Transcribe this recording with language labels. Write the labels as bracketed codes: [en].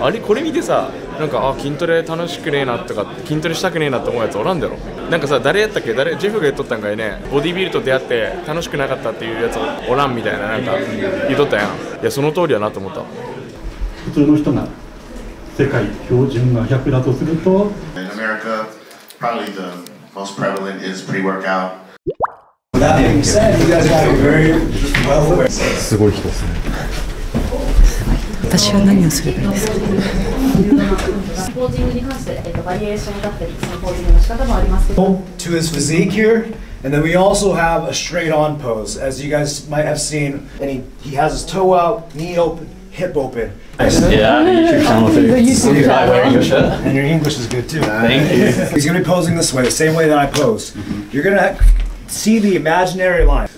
[ja] ん、あれこれ見てさ、なんか、あ、筋トレ楽しくねえなとか筋トレしたくねえなって思うやつおらんだろ。なんかさ、誰やったっけ、誰、ジェフが言っとったんかいね、ボディビルと出会って楽しくなかったっていうやつおらんみたいな、なんか言っとったやん。いや、その通りやなと思った。普通の人が世界標準が100だとすると、 [en] In America, probably the most prevalent is pre-workout. That being said, you guys got a very well aware. [ja] すごい人ですね。私は何をすればいいですか。ポージングに関して、バリエーションだったり、そのポージングの仕方もありますけど。 [en] To his physique here, and then we also have a straight-on pose, as you guys might have seen. And he has his toe out, knee open, hip open. Nice. Yeah, you should come with it. You're wearing your shirt. And your English is good too. Thank you. He's going to be posing this way, the same way that I pose. Mm-hmm. You're going to see the imaginary line.